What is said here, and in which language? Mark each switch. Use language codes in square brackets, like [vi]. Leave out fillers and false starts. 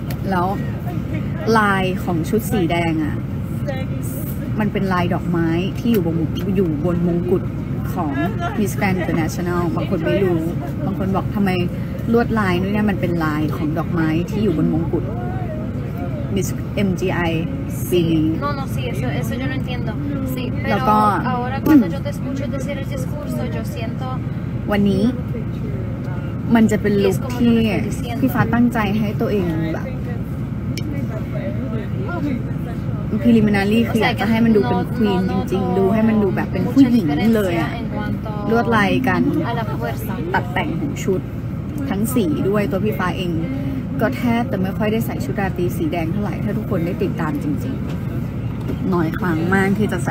[th] แล้วลายของชุดสีแดงอ่ะมันเป็นลายดอกไม้ที่อยู่บนมงกุฎของ Miss Grand International บางคนไม่รู้บางคนบอกทำไมลวดลายนู่นนี่มันเป็นลายของดอกไม้ที่อยู่บนมงกุฎMiss MGI [es] sí. No, no, sí, eso yo no entiendo. Sí, pero luego, ahora cuando yo te escucho decir el discurso, yo siento. [th] วันนี้มันจะเป็นลุคที่พี่ฟ้าตั้งใจให้ตัวเองแบบพรีลิมินารีคืออยากจะให้มันดูเป็นควีนจริงๆดูให้มันดูแบบเป็นผู้หญิงเลยลวดลายกันตัดแต่งของชุดทั้งสีด้วยตัวพี่ฟ้าเองก็แทบแต่ไม่ค่อยได้ใส่ชุดราตรีสีแดงเท่าไหร่ถ้าทุกคนได้ติดตามจริงๆน้อยครั้งมากที่จะใส